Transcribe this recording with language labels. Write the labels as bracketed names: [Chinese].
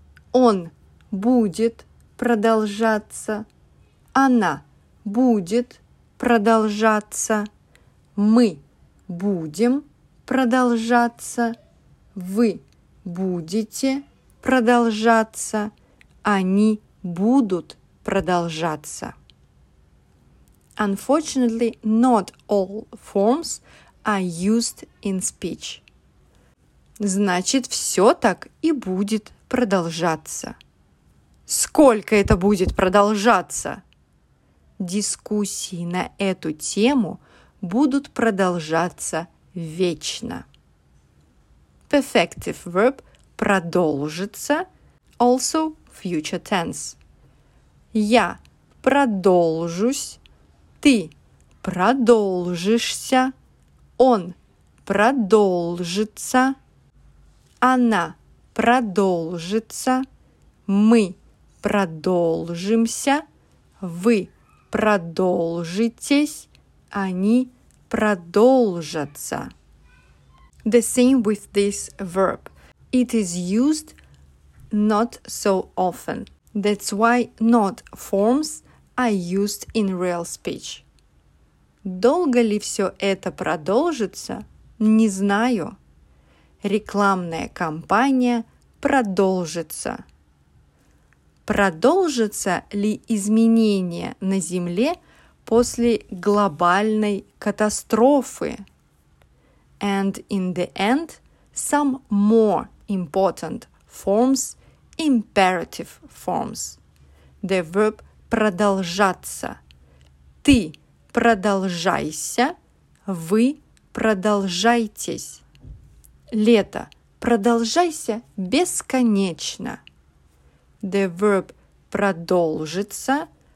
[Russian] Он будет продолжаться, она будет продолжаться, мы будем продолжаться, вы будете продолжаться, они будут продолжаться. [English] Unfortunately, not all forms are used in speech. [Russian] Значит, все так и будет продолжаться. Сколько это будет продолжаться? Дискуссии на эту тему будут продолжаться вечно. [English] Perfective verb продолжится, also future tense. [Russian] Я продолжусь, ты продолжишься, он продолжится, она продолжится, мы продолжимся, вы продолжитесь, они продолжатся. [English] The same with this verb. It is used not so often. That's why not forms are used in real speech. [Russian] Долго ли все это продолжится? Не знаю. Рекламная кампания продолжится. Продолжится ли изменение на Земле после глобальной катастрофы? [English] And in the end, some more important forms, imperative forms. The verb продолжаться. [Russian] Ты продолжайся, вы продолжайтесь. Лето. Продолжайся бесконечно. [English] The verb [Russian] продолжится.